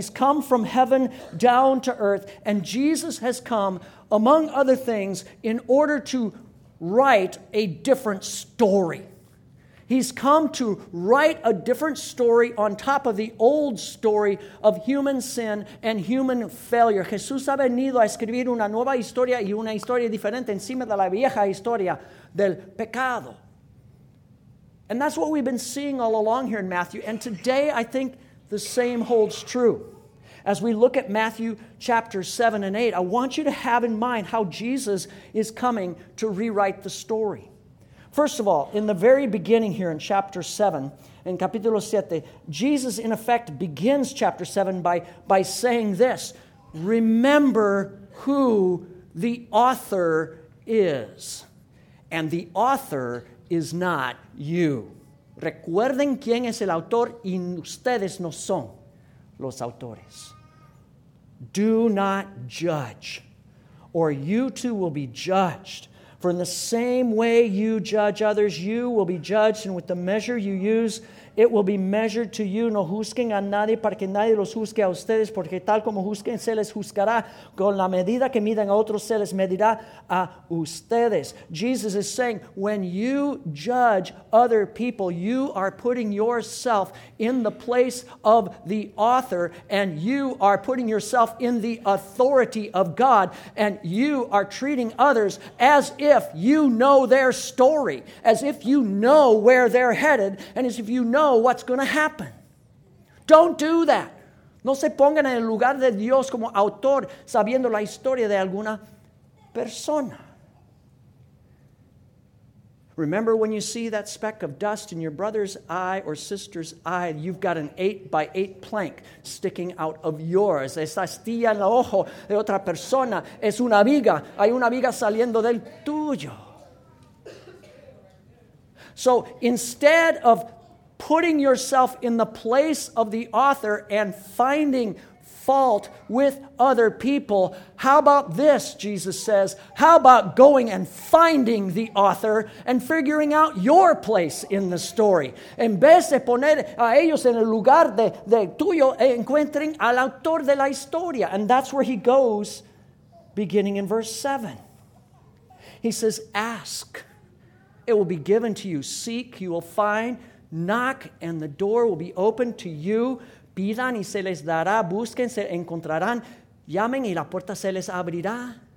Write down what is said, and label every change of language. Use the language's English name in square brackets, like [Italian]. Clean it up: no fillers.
[English] He's come from heaven down to earth, and Jesus has come, among other things, in order to write a different story. He's come to write a different story on top of the old story of human sin and human failure. [Spanish] Jesús ha venido a escribir una nueva historia y una historia diferente encima de la vieja historia del pecado. [English] And that's what we've been seeing all along here in Matthew. And today, I think the same holds true. As we look at Matthew chapter 7 and 8, I want you to have in mind how Jesus is coming to rewrite the story. First of all, in the very beginning here in chapter 7, in capítulo 7, Jesus, in effect, begins chapter 7 by saying this: remember who the author is. And the author is not you. [Spanish] Recuerden quién es el autor y ustedes no son los autores. [English] Do not judge, or you too will be judged. For in the same way you judge others, you will be judged, and with the measure you use, it will be measured to you. [Spanish] No juzguen a nadie para que nadie los juzgue a ustedes, porque tal como juzguen, se les juzgará. Con la medida que midan a otros, se les medirá a ustedes. [English] Jesus is saying, when you judge other people, you are putting yourself in the place of the author, and you are putting yourself in the authority of God, and you are treating others as if you know their story, as if you know where they're headed, and as if you know what's going to happen. Don't do that. [Spanish] No se pongan en el lugar de Dios como autor sabiendo la historia de alguna persona. [English] Remember when you see that speck of dust in your brother's eye or sister's eye, you've got an 8x8 plank sticking out of yours. [Spanish] Esa astilla en el ojo de otra persona es una viga. Hay una viga saliendo del tuyo. [English] So instead of putting yourself in the place of the author and finding fault with other people, how about this, Jesus says, how about going and finding the author and figuring out your place in the story? [Spanish] En vez de poner a ellos en el lugar de tuyo, encuentren al autor de la historia. [English] And that's where he goes, beginning in verse 7. He says, ask, it will be given to you. Seek, you will find. Knock, and the door will be opened to you. [Spanish] Pidan y se les dará. Busquen, se encontrarán. Llamen y la puerta se les abrirá.